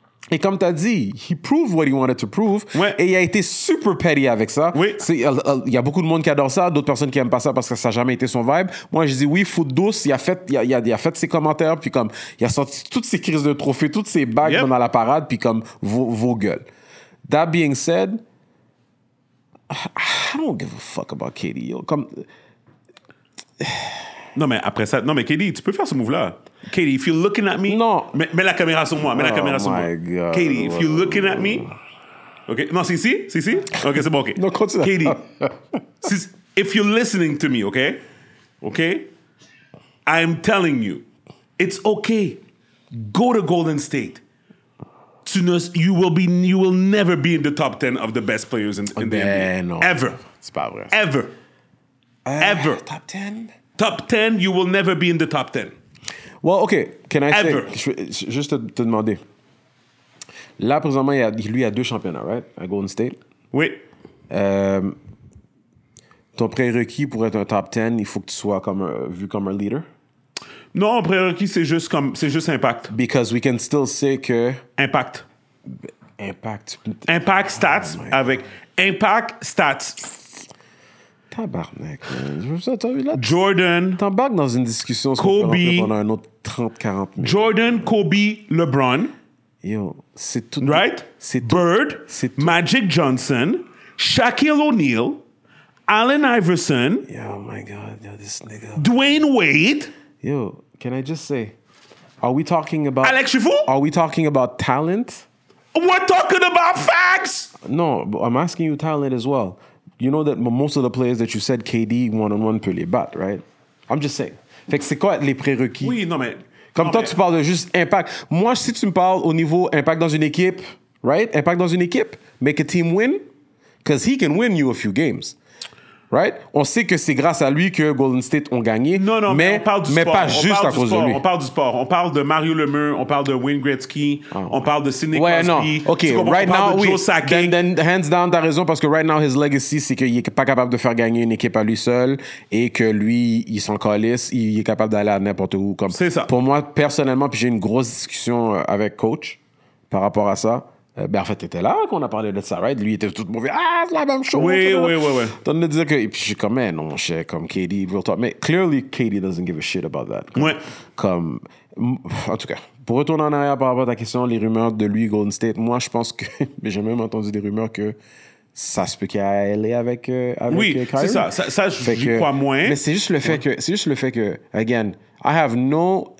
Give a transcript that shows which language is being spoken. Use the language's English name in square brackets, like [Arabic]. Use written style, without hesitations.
[French] Et comme t'as dit, [English] he proved what he wanted to prove. [French] Ouais. Et il a été super petty avec ça. Oui. Il y a beaucoup de monde qui adore ça, d'autres personnes qui aiment pas ça parce que ça n'a jamais été son vibe. Moi, je dis oui, foot douce. Il a fait ses commentaires, puis comme il a sorti toutes ses crises de trophées, toutes ses bagues pendant la parade, puis comme vos gueules. [English] That being said, I don't give a fuck about KD. [French] Comme non, mais après ça, non mais KD, tu peux faire ce move-là. [English] Katie, if you're looking at me... [French] Non. Mets la caméra sur moi, mets la caméra sur moi. [English] Oh my God. Katie, if you're looking at me... [French] OK, non, si. OK, c'est bon, [English] OK. [French] Non, continue. [English] Katie, if you're listening to me, OK? OK? I'm telling you, it's OK. Go to Golden State. You will never be in the top 10 of the best players in the NBA. [French] Non. [English] Ever. [French] C'est pas vrai. [English] Ever. Ever. Top 10? Top 10, you will never be in the top 10. Well, OK, can I say, [French] juste te demander. Là, présentement, il y a deux championnats, [English] right? [French] À Golden State. Oui. Ton prérequis pour être un top 10, il faut que tu sois vu comme un leader? Non, prérequis, c'est juste impact. [English] Because we can still say [French] que... [English] Impact. Impact. Impact stats [French] avec... [English] Impact stats. [French] Tabarnak, man. Jordan. T'embarques dans une discussion. Kobe. Pendant un autre 30-40 minutes. Jordan, Kobe, LeBron. Yo, c'est tout. [English] Right? [French] C'est Bird. C'est tout. Magic Johnson. Shaquille O'Neal. Allen Iverson. [English] Yo, my God. Yo, this nigga. Dwayne Wade. Yo, can I just say, are we talking about... Alex Chifou? Are we talking about talent? We're talking about facts. No, but I'm asking you talent as well. You know that most of the players that you said KD one-on-one [French] peut les battre, [English] right? I'm just saying. [French] Fait que c'est quoi les prérequis? Oui, non, mais... Comme non, toi, mais... tu parles de juste impact. Moi, si tu me parles au niveau impact dans une équipe, [English] right? [French] Impact dans une équipe, [English] make a team win, because he can win you a few games. Right? [French] On sait que c'est grâce à lui que Golden State ont gagné. Non, non, mais on parle du mais sport. Mais pas on juste à cause sport. De lui. On parle du sport. On parle de Mario Lemieux. On parle de Wayne Gretzky. Oh, on parle de Sidney ouais, Crosby. Non. [English] OK, right now, [French] oui. [English] Then, hands down, [French] t'as raison, parce que [English] right now, his legacy, [French] c'est qu'il n'est pas capable de faire gagner une équipe à lui seul et que lui, il s'en calisse. Il est capable d'aller à n'importe où. Comme. C'est ça. Pour moi, personnellement, puis j'ai une grosse discussion avec coach par rapport à ça. Ben en fait, t'étais là qu'on a parlé de ça, [English] right? [French] Lui, il était tout mauvais. Ah, c'est la même chose. Oui. T'en de dire que... Et puis, je suis comme, non, mon cher, comme KD, [English] real talk. [French] Mais [English] clearly, KD doesn't give a shit about that. [French] Comme, ouais. Comme... En tout cas, pour retourner en arrière par rapport à ta question, les rumeurs de lui, Golden State, moi, je pense que... Mais j'ai même entendu des rumeurs que ça se peut qu'il y ait allé avec Kyrie. Oui, c'est ça. Ça, ça j'y que, crois moins. Mais c'est juste le fait ouais. Que... C'est juste le fait que, [English] again... I have no...